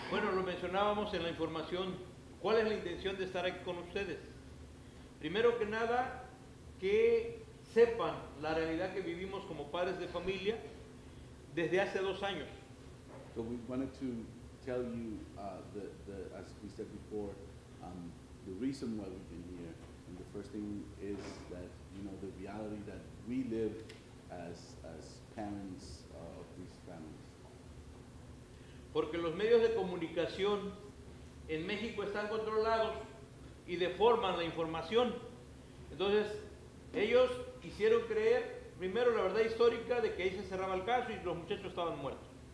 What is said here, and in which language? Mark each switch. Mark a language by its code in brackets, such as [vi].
[es] Bueno, lo mencionábamos en la información. ¿Cuál es la intención de estar aquí con ustedes? Primero que nada, que sepan la realidad que vivimos como padres de familia desde hace 2 años. [en] So we wanted to tell you the as we said before. The reason why we've been here, and the first thing is that, you know, the reality that we live as parents of these families. [es] Porque los medios de comunicación en México están controlados y deforman la información. Entonces, ellos hicieron creer, primero, la verdad histórica de que ahí se cerraba el caso y los muchachos estaban muertos.